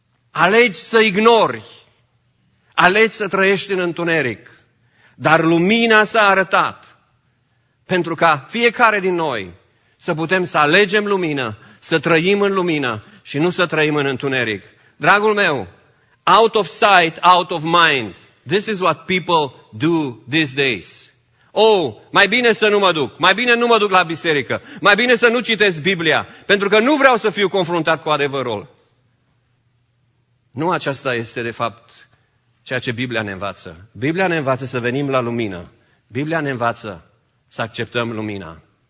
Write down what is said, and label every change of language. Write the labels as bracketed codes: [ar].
[ro] Alegi să ignori, alegi să trăiești în întuneric, dar lumina s-a arătat pentru ca fiecare din noi să putem să alegem lumină, să trăim în lumină și nu să trăim în întuneric. Dragul meu, [en] out of sight, out of mind. This is what people do these days. [ro] Oh, mai bine să nu mă duc, mai bine nu mă duc la biserică, mai bine să nu citesc Biblia, pentru că nu vreau să fiu confruntat cu adevărul. Nu aceasta este, de fapt, ceea ce Biblia ne învață. Biblia ne învață să venim la lumină. Biblia ne învață să acceptăm lumina.